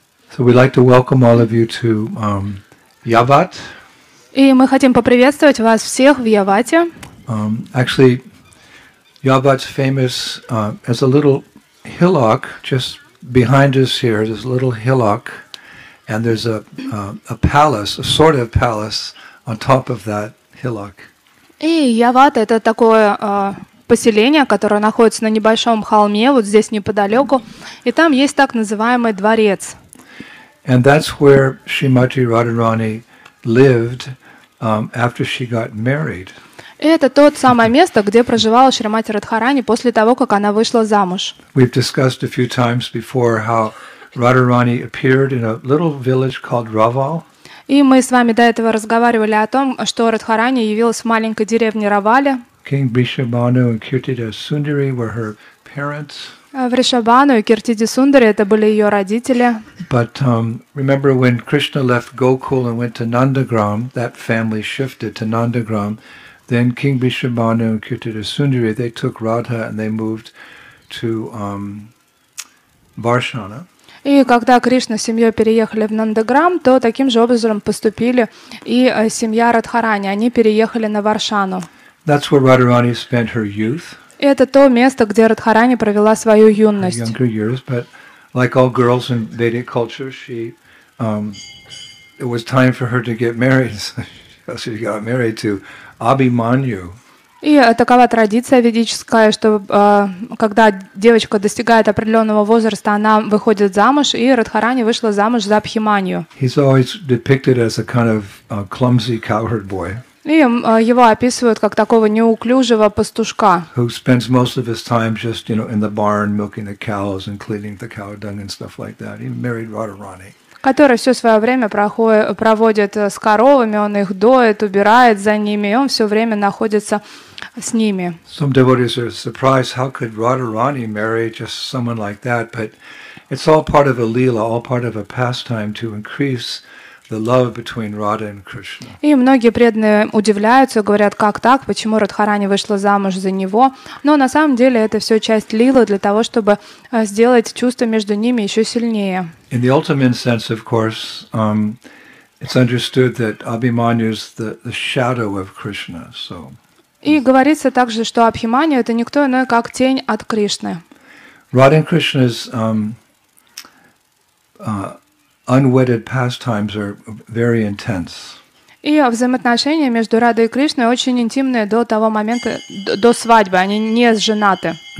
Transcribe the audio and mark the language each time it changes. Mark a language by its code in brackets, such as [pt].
[en] So we'd like to welcome all of you to Yavat. [ru] И мы хотим поприветствовать вас всех в Явате. [en] Actually, Yavat's famous as a little hillock just behind us here. There's a little hillock, and there's a palace, a sort of palace, on top of that hillock. [ru] И Яват это такое. Поселение, которое находится на небольшом холме, вот здесь неподалеку, и там есть так называемый дворец. [en] And that's where Shrimati Radharani lived after she got married. [ru] И это тот самое место, где проживала Шримати Радхарани после того, как она вышла замуж. [en] We've discussed a few times before how Radharani appeared in a little village called Raval. [ru] И мы с вами до этого разговаривали о том, что Радхарани явилась в маленькой деревне Равале. [en] King Vrishabhanu and Kirtide Sundari were her parents. [ru] Vrishabhanu и Kirtide Sundari это были ее родители. [en] But remember when Krishna left Gokul and went to Nandagram, that family shifted to Nandagram. Then King Vrishabhanu and Kirtide Sundari they took Radha and they moved to Varshana. [ru] И когда Кришна с семьей переехали в Нандаграм, то таким же образом поступили и семья Радхарани. Они переехали на Варшану. [en] That's where Radharani spent her youth. [ru] Это то место, где Радхарани провела свою юность. [en] Her younger years, but like all girls in Vedic culture, she it was time for her to get married. So she got married to Abhimanyu. [ru] И такова традиция ведическая, что когда девочка достигает определенного возраста, она выходит замуж, и Радхарани вышла замуж за Абхиманью. [en] He's always depicted as a kind of a clumsy cowherd boy. [ru] И его описывают как такого неуклюжего пастушка. [en] Who spends most of his time just, you know, in the barn milking the cows and cleaning the cow dung and stuff like that. He married Radharani. [ru] Который все свое время проводит с коровами, он их доит, убирает за ними, и он все время находится с ними. [en] Some devotees are surprised how could Radharani marry just someone like that, but it's all part of a lila, all part of a pastime to increase. The love between Radha and Krishna. [ru] И многие преданные удивляются, говорят, как так, почему Радхарани вышла замуж за него. Но на самом деле это все часть лилы для того, чтобы сделать чувства между ними еще сильнее. [en] In the ultimate sense, of course, it's understood that Abhimanyu is the shadow of Krishna. So. [ru] И говорится также, что Абхиманья это никто иной, как тень от Кришны. [en] Radha and Krishna's unwedded pastimes are very intense. [ru] И взаимоотношения между Радой и Кришной очень интимные до того момента, до свадьбы, они не женаты.